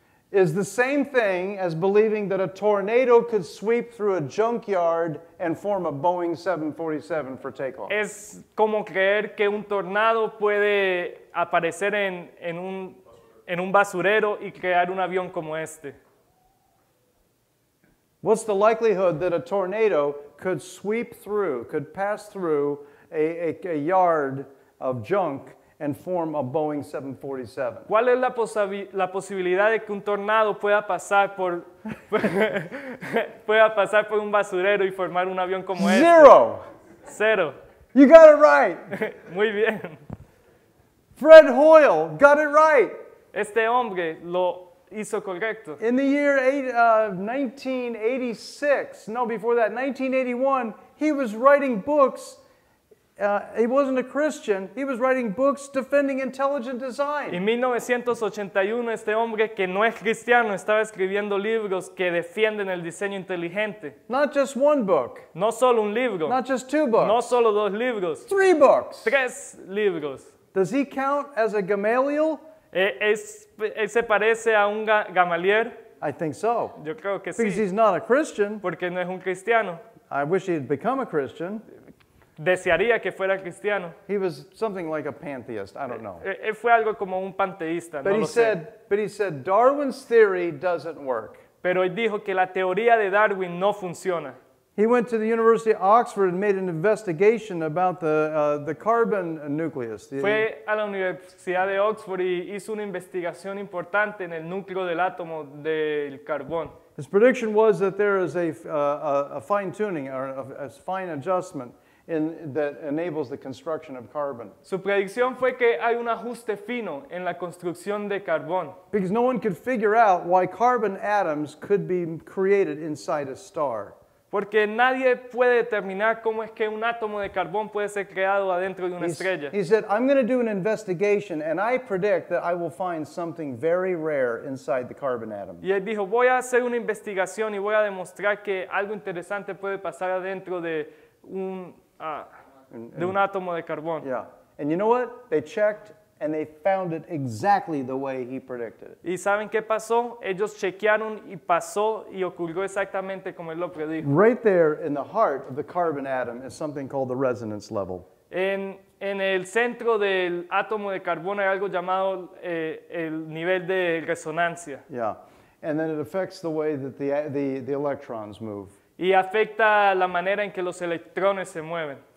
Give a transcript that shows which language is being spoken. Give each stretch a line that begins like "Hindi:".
English: Is the same thing as believing that a tornado could sweep through a junkyard and form a Boeing 747 for takeoff.
Spanish: Es como creer que un tornado puede aparecer en un basurero y crear un avión como este.
English: What's the likelihood that a tornado could sweep through, could pass through a yard of junk and form a Boeing 747?
Spanish: ¿Cuál es la posibilidad de que un tornado pueda pasar por un basurero y formar un avión como este?
English: Zero.
Spanish: Cero.
English: You got it right.
Spanish: Muy bien.
English: Fred Hoyle got it right.
Spanish: Este hombre lo hizo correcto.
English: In the year 1986, no, before that, 1981, he was writing books. He wasn't a Christian. He was writing books defending intelligent design.
Spanish: En 1981, este hombre que no es cristiano estaba escribiendo libros que defienden el diseño inteligente.
English: Not just one book.
Spanish: No solo un libro.
English: Not just two books.
Spanish: No solo dos libros.
English: Three books.
Spanish: Tres libros.
English: Does he count as a Gamaliel?
Spanish: ¿Se parece a un Gamaliel?
English: I think so.
Spanish: Yo creo que
English: Because
Spanish: sí.
English: He's not a Christian.
Spanish: Porque no es un cristiano.
English: I wish he had become a Christian.
Spanish: Desearía que fuera cristiano.
English: He was something like a pantheist, I don't know.
Spanish: Fue algo como un panteísta,
English: but
Spanish: no
English: he
Spanish: lo
English: said,
Spanish: sé.
English: But he said, Darwin's theory doesn't work.
Spanish: Pero él dijo que la teoría de Darwin no funciona.
English: He went to the University of Oxford and made an investigation about the carbon nucleus.
Spanish: Fue a la Universidad de Oxford y hizo una investigación importante en el núcleo del átomo del carbón.
English: His prediction was that there is a fine tuning or a fine adjustment in that enables the construction of carbon.
Spanish: Su predicción fue que hay un ajuste fino en la construcción de carbón.
English: Because no one could figure out why carbon atoms could be created inside a star.
Spanish: Porque nadie puede determinar cómo es que un átomo de carbón puede ser creado adentro de una estrella.
English: He said, I'm going to do an investigation and I predict that I will find something very rare inside the carbon atom.
Spanish: Y él dijo, voy a hacer una investigación y voy a demostrar que algo interesante puede pasar adentro de un de un átomo de carbón.
English: Yeah. And you know what? They checked and they found it exactly the way he predicted it.
Spanish: ¿Y saben qué pasó? Ellos chequearon y pasó y ocurrió exactamente como él lo predijo.
English: Right there in the heart of the carbon atom is something called the resonance level.
Spanish: En el centro del átomo de carbón hay algo llamado el nivel de resonancia.
English: Yeah. And then it affects the way that the electrons move.
Spanish: Y afecta la manera en que los electrones se mueven.